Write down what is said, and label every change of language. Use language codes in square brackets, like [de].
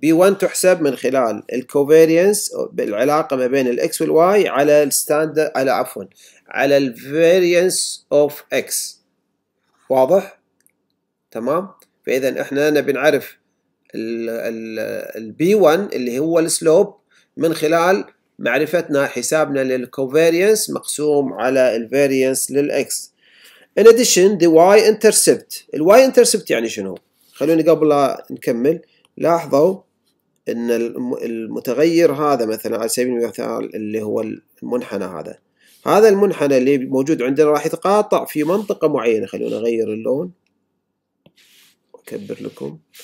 [ar] B1 تحسب من خلال الكوفيريانس بالعلاقة ما بين الإكس والواي على الستاندر على عفوا على الفيريانس أوف إكس. واضح؟ تمام؟ فإذن إحنا نبي نعرف ال B1 اللي هو السلوب من خلال معرفتنا حسابنا للكوفيريانس مقسوم على الفيريانس للإكس. [en] In addition, the y-intercept. [ar] الy-intercept يعني شنو؟ خلوني قبل نكمل. لاحظوا إن المتغير هذا مثلاً على سبيل المثال اللي هو المنحنى هذا. هذا المنحنى اللي موجود عندنا راح يتقاطع في منطقة معينة. خلونا نغير اللون. أكبر لكم.